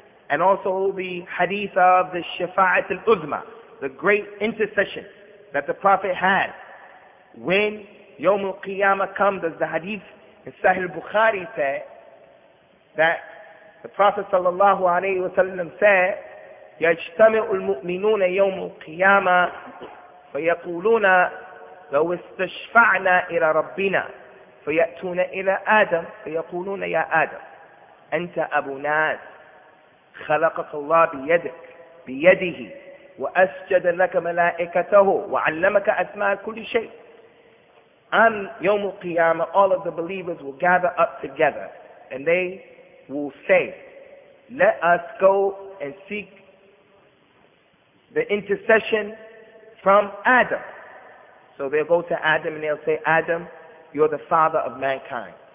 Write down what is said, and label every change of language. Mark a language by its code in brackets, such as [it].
[en] And also the hadith of the Shafa'at al-Uzma, the great intercession that the Prophet had. When Yawm al-Qiyamah comes, as the hadith in Sahih al-Bukhari said, that the Prophet sallallahu alayhi wa sallam said, [ar] يَجْتَمِعُ الْمُؤْمِنُونَ يَوْمُ الْقِيَامَةِ فَيَقُولُونَ لو استشفعنا إلى ربنا فيأتون إلى آدم فيقولون يا آدم أنت أبو ناس خلقك الله بيدك بيده وأسجد لك ملائكته وعلمك أسماء كل شيء. [en] On Yawm al-Qiyamah, all of the believers will gather up together and they will say, let us go and seek the intercession from Adam. So they'll go to Adam and they'll say, Adam, you're the father of mankind.